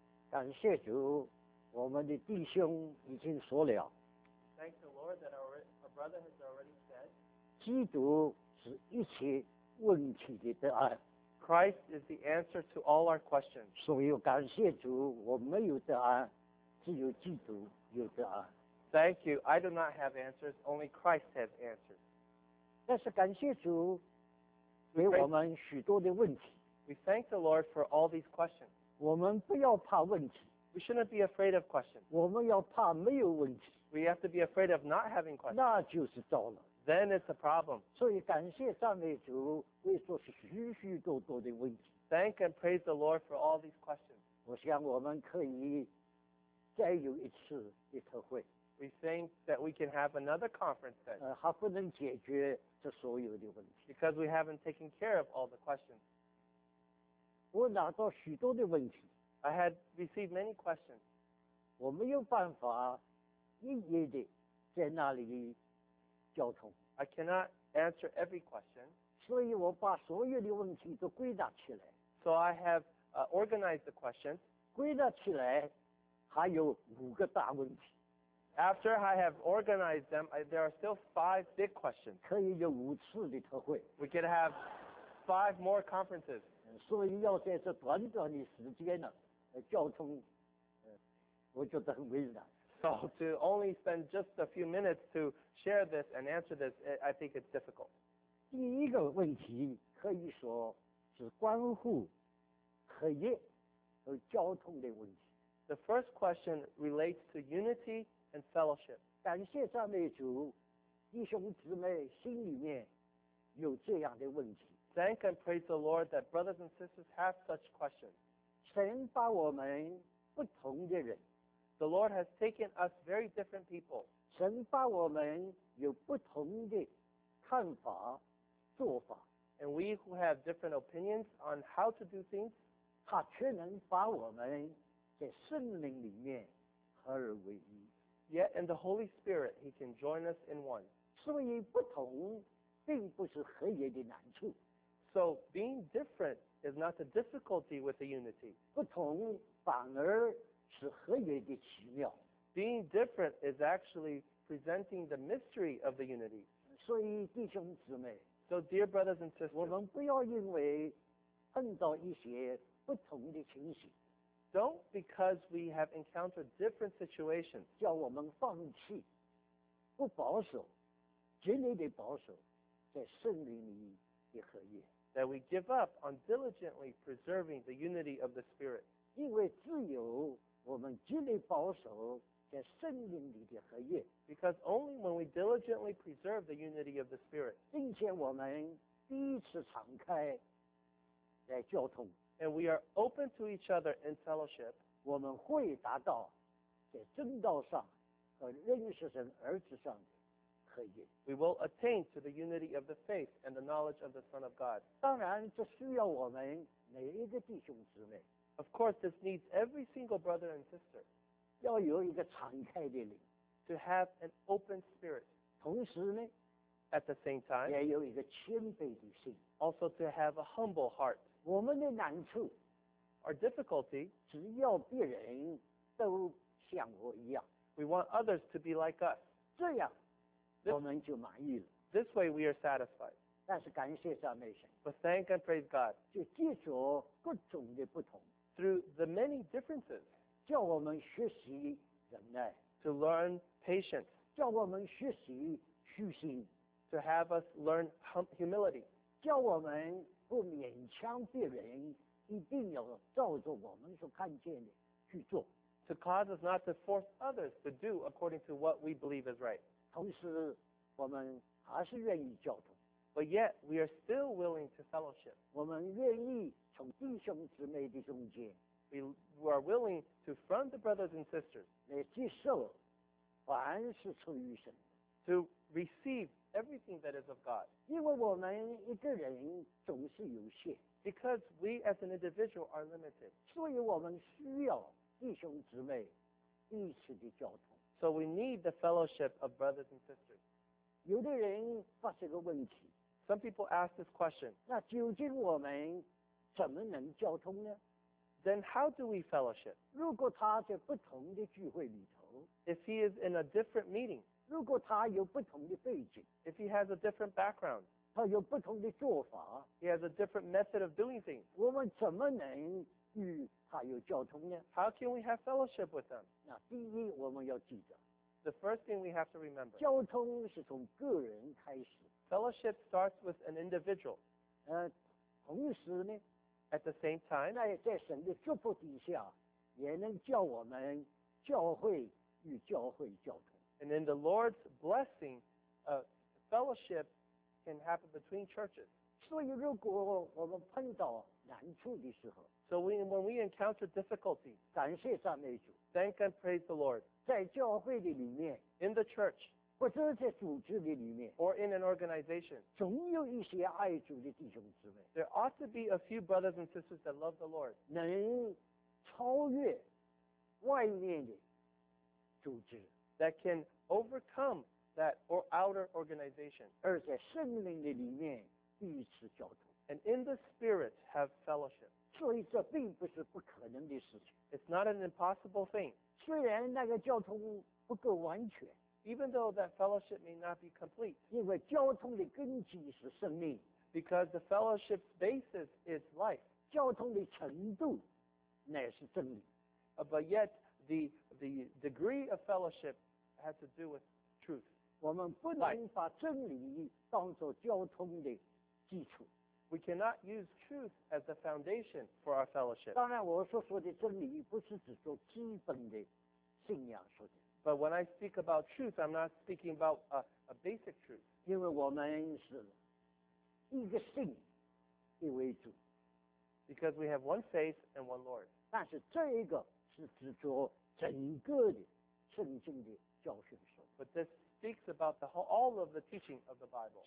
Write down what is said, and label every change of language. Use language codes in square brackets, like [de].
[zh] 感谢主，我们的弟兄已经说了。 [en] Thank the Lord that our brother has already said. [zh] 基督是一切问题的答案。 [en] Christ is the answer to all our questions. [zh] 所以感谢主，我没有答案，只有基督有答案。 [en] Thank you. I do not have answers. Only Christ has answers. [zh] 但是感谢主，给我们许多的问题。 [en] We thank the Lord for all these questions. [zh] 我们不要怕问题。 [en] We shouldn't be afraid of questions. [zh] 我们要怕没有问题。 [en] We have to be afraid of not having questions. [zh] 那就是糟了。 [en] Then it's a problem. [zh] 所以感谢赞美主，为做许许多多的问题。 [en] Thank and praise the Lord for all these questions. [zh] 我想我们可以再有一次的特会。 [en] We think that we can have another conference then. [zh] 还不能解决这所有的问题。 [en] Because we haven't taken care of all the questions. [zh] 我拿到许多的问题。 [en] I had received many questions. [zh] 我没有办法一一的在那里交通。 [en] I cannot answer every question. [zh] 所以我把所有的问题都归纳起来。 [en] So I have organized the questions. [zh] 归纳起来还有五个大问题。 [en] After I have organized them, there are still five big questions. [zh] 可以有五次的特会。 [en] We could have five more conferences. [zh] 所以要在这短短的时间呢，交通，我觉得很为难。 [en] So to only spend just a few minutes to share this and answer this, I think it's difficult. [zh] 第一个问题可以说是关乎合一和交通的问题。 [en] The first question relates to unity. And fellowship. [zh] 感谢赞美主，弟兄姊妹心里面有这样的问题。 [en] Thank and praise the Lord that brothers and sisters have such questions. [zh] 神把我们不同的人。 [en] The Lord has taken us very different people. [zh] 神把我们有不同的看法、做法。 [en] And we who have different opinions on how to do things. [zh] 他却能把我们在圣灵里面合而为一。 [en] Yet in the Holy Spirit, He can join us in one. [zh] 所以不同并不是合一的难处。 [en] So being different is not the difficulty with the unity. [zh] 不同反而是合一的奇妙。 [en] Being different is actually presenting the mystery of the unity. [zh] 所以弟兄姊妹。 [en] So dear brothers and sisters. [zh] 我们不要因为碰到一些不同的情形。 [en] Don't because we have encountered different situations. [zh] 叫我们放弃，不保守，竭力的保守，在圣灵里的合一。 [en] That we give up on diligently preserving the unity of the Spirit. [zh] 因为只有我们竭力保守在圣灵里的合一。 [en] Because only when we diligently preserve the unity of the Spirit. [zh] 并且我们第一次敞开来交通。 [en] And we are open to each other in fellowship. [zh] 我们会达到在正道上和认识神儿子上的合一。 [en] We will attain to the unity of the faith and the knowledge of the Son of God. [zh] 当然，这需要我们每一个弟兄姊妹。 [en] Of course, this needs every single brother and sister. [zh] 要有一个敞开的灵。 [en] To have an open spirit. [zh] 同时呢。 [en] At the same time. [zh] 也有一个谦卑的心。 [en] Also to have a humble heart. [zh] 我们的难处 [en] Our difficulty [zh] 只要别人都像我一样 [en] We want others to be like us [zh] 这样 我们就满意了 [en] This way we are satisfied [zh] 但是感谢赞美神 [en] But thank and praise God [zh] 就借着各种的不同 [en] Through the many differences [zh] 叫我们学习忍耐 [en] To learn patience [zh] 叫我们学习虚心 [en] To have us learn humility [zh] 叫我们不勉强别人，一定要照着我们所看见的去做。 [en] To cause us not to force others to do according to what we believe is right. [zh] 同时，我们还是愿意交通。 [en] But yet, we are still willing to fellowship. [zh] 我们愿意从弟兄姊妹的中间。 [en] We are willing to from the brothers and sisters. [zh] 来接受，凡是出于神。 [en] To receive. Everything that is of God. [zh] 因为我们一个人总是有限。 [en] Because we as an individual are limited. [zh] 所以我们需要弟兄姊妹彼此的交通。 [en] So we need the fellowship of brothers and sisters. [zh] 有的人发现个问题。 [en] Some people ask this question. [zh] 那究竟我们怎么能交通呢？ [en] then how do we fellowship? [zh] 如果他在不同的聚会里头, [en] if he is in a different meeting, [zh] 如果他有不同的背景, [en] if he has a different background, [zh] 他有不同的做法, [en] he has a different method of doing things, [zh] 我们怎么能与他有交通呢? [en] How can we have fellowship with them? [zh] 那第一我们要记得, [en] the first thing we have to remember, [zh] 交通是从个人开始, [en] fellowship starts with an individual, [zh] 同时呢, [en] at the same time, [zh] 在神的祝福底下, 也能叫我们教会与教会交通。 [en] And in the Lord's blessing, fellowship can happen between churches. [zh] 所以如果我们碰到难处的时候, [en] So when we encounter difficulty, [zh] 感谢赞美主, [en] thank and praise the Lord. [zh] 在教会的里面, [en] in the church, [zh] 或者在组织的里面, [en] or in an organization, [zh] 总有一些爱主的弟兄姊妹, [en] there ought to be a few brothers and sisters that love the Lord, [zh] 能超越外面的组织, [en] that can overcome that or outer organization, [zh] 而在圣灵的里面彼此交通, [en] and in the spirit have fellowship. [zh] 所以这并不是不可能的事情, [en] it's not an impossible thing. [zh] 虽然那个交通不够完全, [en] even though that fellowship may not be complete, [zh] 因为交通的根基是生命, [en] because the fellowship's basis is life. [zh] 交通的程度乃是真理, [en] but yet,The degree of fellowship has to do with truth. [zh] 我们不能把真理当作交通的基础。 [en] We cannot use truth as the foundation for our fellowship. [zh] 当然我所说的真理不是只说基本的信仰说的。 [en] But when I speak about truth, I'm not speaking about a basic truth. [zh] 因为我们是一个信的为主。 [en] Because we have one faith and one Lord. [zh] 但是这一个是指着整个的圣经的教训说。 [en] But this speaks about the whole, all of the teaching of the Bible.